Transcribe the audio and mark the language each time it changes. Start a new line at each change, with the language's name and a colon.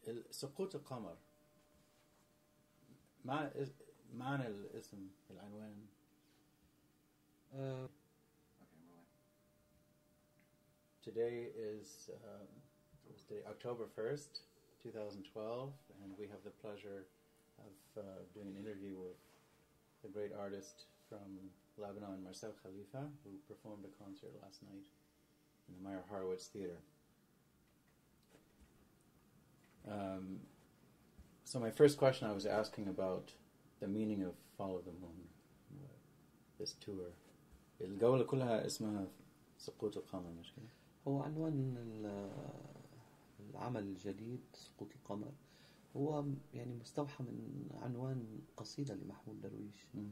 Arabic: سقوط القمر معنى الاسم العنوان.
English: Today is October 1st, 2012, and we have the pleasure of doing an interview with the great artist from Lebanon, Marcel Khalifa, who performed a concert last night in the Meyer Horowitz Theater. So my first question I was asking about the meaning of Follow the Moon, this tour.
Arabic: الجولة كلها اسمها سقوط القمر مش كده؟ هو عنوان العمل الجديد سقوط القمر هو يعني مستوحى من عنوان قصيدة لمحمود درويش.